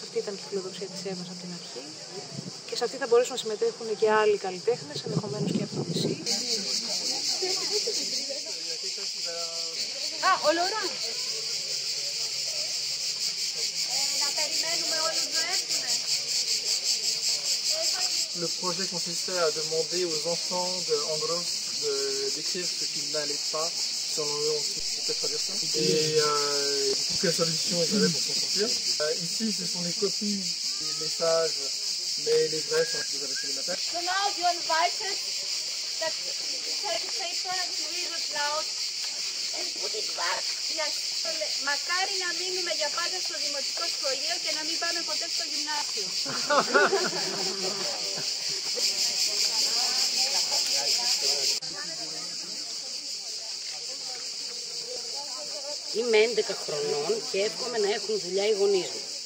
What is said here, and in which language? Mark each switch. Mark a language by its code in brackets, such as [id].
[el] Αυτή ήταν και η φιλοδοξία της Εύας από την αρχή. Και σε αυτή θα μπορέσουν να συμμετέχουν και άλλοι καλλιτέχνες, ενδεχομένως και αυτοί εσύ. Α, ο Λωρά! Να περιμένουμε όλους να έρθουν. [fr] Le projet consistait à demander aux enfants de Andros de décrire ce qui n'allait pas selon eux, on peut traduire ça. Et quelle solution ils avaient pour s'en sortir. Ici, ce sont les copies des messages, mais les vrais sont ce que vous avez fait le matin. [en] So now you invite us to say first we read loud and put it back. [el] Μακάρι να μείνουμε για πάντα στο δημοτικό σχολείο και να μην πάμε ποτέ στο γυμνάσιο. Είμαι 11 χρονών και εύχομαι να έχουν δουλειά οι γονείς μου.